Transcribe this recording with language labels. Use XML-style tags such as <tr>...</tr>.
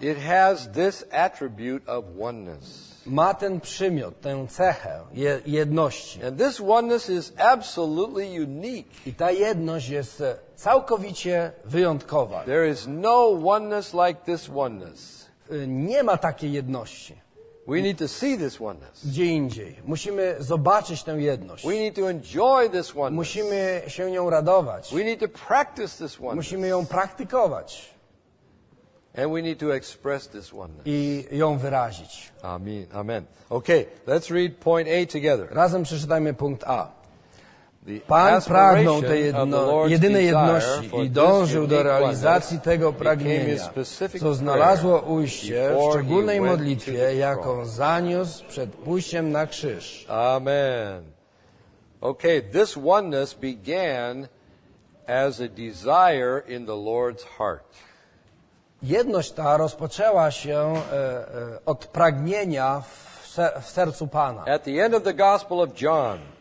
<en>It has this attribute of oneness.</en> <pl>Ma ten przymiot, tę cechę jedności.</pl> <en>And this oneness is absolutely unique.</en> <pl>I ta jedność jest całkowicie wyjątkowa.</pl> <en>There is no oneness like this oneness.</en> <pl>Nie ma takiej jedności.</pl> <en>We need to see this oneness.</en> <pl>Gdzie indziej. Musimy zobaczyć tę jedność.</pl> <en>We need to enjoy this oneness.</en> <pl>Musimy się nią radować.</pl> <en>We need to practice this oneness.</en> <pl>Musimy ją praktykować.</pl> <en>And we need to express this oneness.</en> <pl>I ją wyrazić.</pl> <en>Amen. Amen. Okay, let's read point A together.</en> <pl>Razem przeczytajmy punkt A. Pan pragnął tej jedynej jedności i dążył do realizacji tego pragnienia, co znalazło ujście w szczególnej modlitwie, jaką zaniósł przed pójściem na krzyż.</pl> <en>Amen. Okay, this oneness began as a desire in the Lord's heart.</en> <pl>Jedność ta rozpoczęła się od pragnienia w sercu Pana.</pl> <en>At the end of the Gospel of John,</en>